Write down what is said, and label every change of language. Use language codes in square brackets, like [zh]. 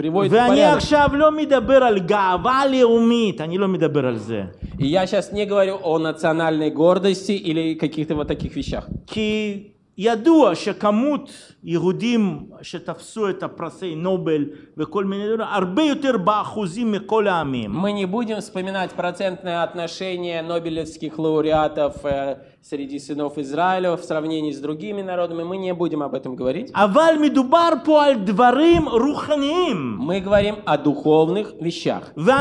[he] ואני עכשיו לא מדבר על גאווה לאומית, אני לא מדבר על זה. [ru] Я сейчас не говорю о национальной гордости или каких-то вот таких вещах. [he] כי ידוע שכמות יהודים שתפסו את הפרסי נובל וכל מיני דברים, הרבה יותר באחוזים מכל העמים. [ru] Мы не будем вспоминать процентное отношение нобелевских лауреатов среди сынов Израиля в сравнении с другими народами, мы не будем об этом говорить. Мы говорим о духовных вещах.